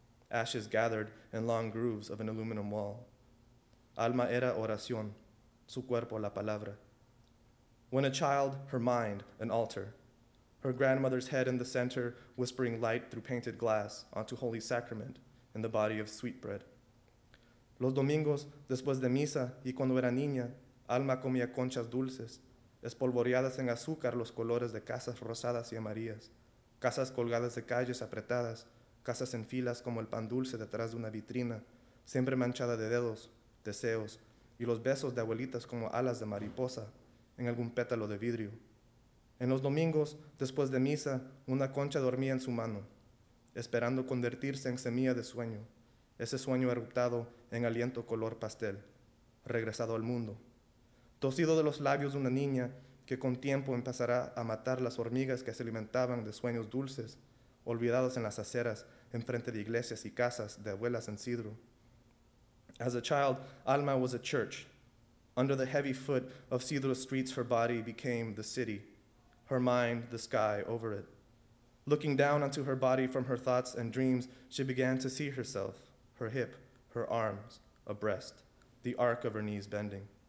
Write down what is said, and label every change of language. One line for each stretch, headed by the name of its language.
English: Ashes gathered in long grooves of an aluminum wall.
Spanish: Alma era oración, su cuerpo la palabra.
English: When a child, her mind, an altar. Her grandmother's head in the center, whispering light through painted glass onto holy sacrament in the body of sweetbread.
Spanish: Los domingos, después de misa y cuando era niña, Alma comía conchas dulces, espolvoreadas en azúcar los colores de casas rosadas y amarillas, casas colgadas de calles apretadas, casas en filas como el pan dulce detrás de una vitrina, siempre manchada de dedos, deseos, y los besos de abuelitas como alas de mariposa en algún pétalo de vidrio. En los domingos, después de misa, una concha dormía en su mano, esperando convertirse en semilla de sueño, ese sueño eruptado en aliento color pastel, regresado al mundo. Tosido de los labios de una niña que con tiempo empezará a matar las hormigas que se alimentaban de sueños dulces, olvidados en las aceras, enfrente de iglesias y casas de abuelas en cidro.
English: As a child, Alma was a church. Under the heavy foot of cidro streets, her body became the city, her mind the sky over it. Looking down onto her body from her thoughts and dreams, she began to see herself, her hip, her arms, a breast, the arc of her knees bending.